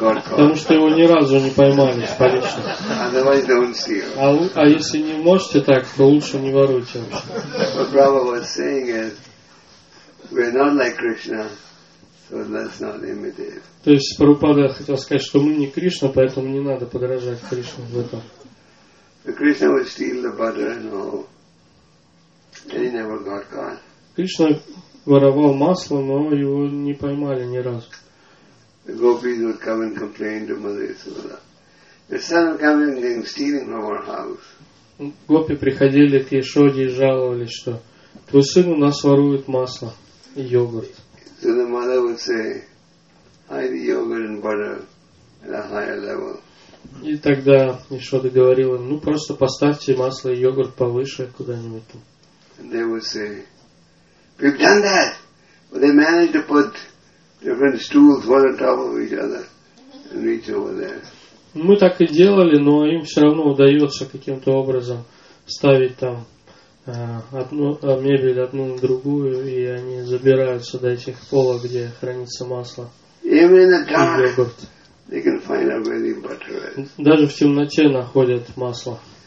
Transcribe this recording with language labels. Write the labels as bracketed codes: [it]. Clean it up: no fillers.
[ru] Потому что его ни разу не поймали с поличным. А если не можете так, то лучше не воруйте. [en] What Prabhupada was saying is, we're not like Krishna, so let's not imitate. [ru] То есть Прабхупада хотел сказать, что мы не Кришна, поэтому не надо подражать Кришне в этом. [en] Krishna would steal the butter and all. He never got caught. [ru] Кришна воровал масло, но его не поймали ни разу. [en] The gopis would come and complain to Mother Yashoda. Your son coming and stealing from our house. [ru] Гопи приходили к Яшоде и жаловались, что твой сын у нас ворует масло и йогурт. [en] So the mother would say, hide the yogurt and butter at a higher level. [ru] И тогда Яшода говорила, ну просто поставьте масло и йогурт повыше куда-нибудь там. [en] And they would say, we've done that. But they managed to put different stools one on top of each other and reach over there. [ru] Мы так и делали, но им все равно удается каким-то образом ставить там одну мебель одну на другую, и они забираются до этих полок, где хранится масло. [en] Even in the dark, they can find out where the butter is. [ru] Даже в темноте находят масло.